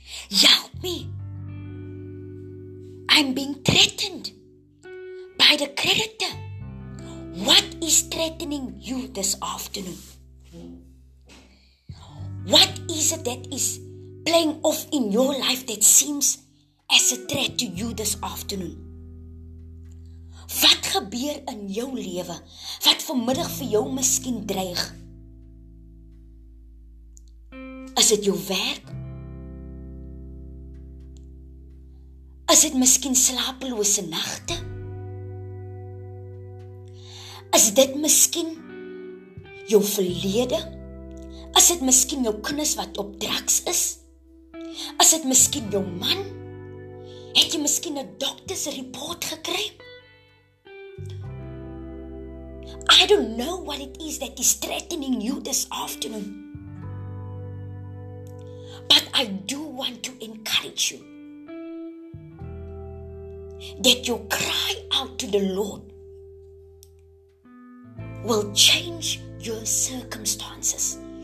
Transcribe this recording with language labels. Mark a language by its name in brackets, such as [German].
[English] Help me. I'm being threatened by the creditor. What is threatening you this afternoon? What is it that is playing off in your life that seems as a threat to you this afternoon? [Afrikaans] Wat gebeur in jou lewe wat vanmiddag vir jou miskien dreig? Is dit jou werk? Is dit miskien slapelose nagte? Is dit miskien jou verlede? Is dit miskien jou kinders wat op drugs is? Is dit miskien jou man? Het jy miskien 'n dokter's report gekry? [English] I don't know what it is that is threatening you this afternoon. But I do want to encourage you. that you cry out to the Lord will change your circumstances.